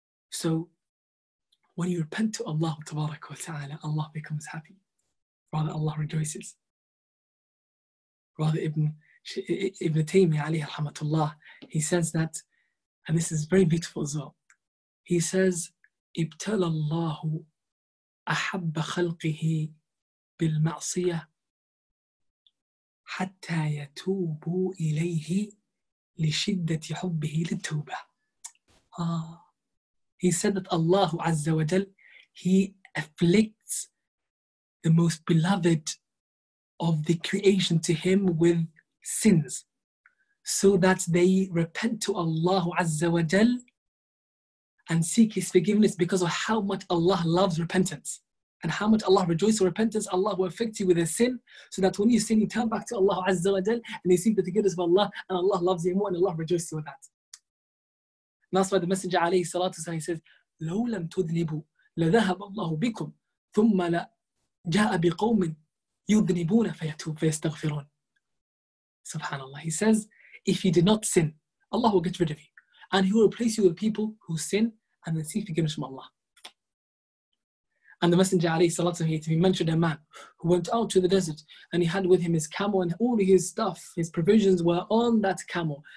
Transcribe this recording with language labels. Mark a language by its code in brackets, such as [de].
[en] So when you repent to Allah tabaraka wa ta'ala, Allah becomes happy. Rather, Allah rejoices. Rather, Ibn Taymiyyah alayhi rahmatullah, he says that, and this is very beautiful as well. He says, [ar] ابتلى الله أحب خلقه بالمعصية حتى يتوبوا إليه لشدة حبه للتوبة. [en] He said that Allah Azza wa Jal, he afflicts the most beloved of the creation to him with sins, so that they repent to Allah Azza wa Jal and seek his forgiveness because of how much Allah loves repentance and how much Allah rejoices in repentance. Allah will afflict you with a sin, so that when you sin, you turn back to Allah Azza wa Jal and you seek the forgiveness of Allah, and Allah loves you more and Allah rejoices with that. And that's why the Messenger alayhi salatu salam, he says, [ar] لَوْ لَمْ تُذْنِبُوا لَذَهَبَ اللَّهُ بِكُمْ ثُمَّ لَجَاءَ بِقَوْمٍ يُذْنِبُونَ فَيَتُوبُ فَيَسْتَغْفِرُونَ. [en] SubhanAllah, he says, if you did not sin, Allah will get rid of you. And he will replace you with people who sin and then seek forgiveness from Allah. And the Messenger alayhi salatu salam, he mentioned a man who went out to the desert and he had with him his camel and all his stuff, his provisions were on that camel.